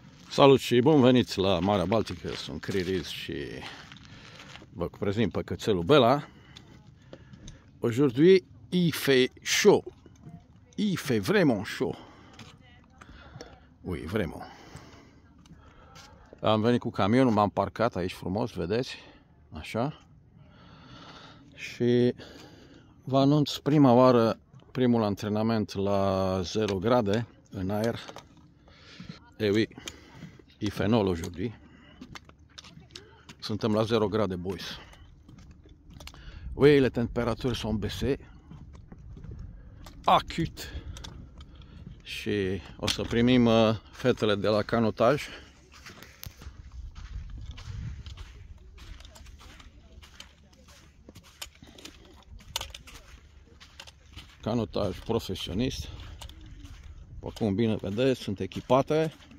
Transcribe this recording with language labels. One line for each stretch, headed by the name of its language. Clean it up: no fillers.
Romanian: Salut și bun venit la Marea Baltică, sunt Criris și vă prezint pe cățelul Bela.
French: Aujourd'hui, il fait chaud. Il fait vraiment chaud. Oui, vraiment.
Romanian: Am venit cu camionul, m-am parcat aici frumos, vedeți? Așa. Și vă anunț prima oară, primul antrenament la 0 grade, în aer.
French: Eh oui.
Romanian: E fenol aujourd'hui. Suntem la 0 grade, boys.
French: Oui, les températures sont baissées. Acut.
Romanian: Și o să primim fetele de la canotaj. Canotaj profesionist. După cum bine vedeți, sunt echipate.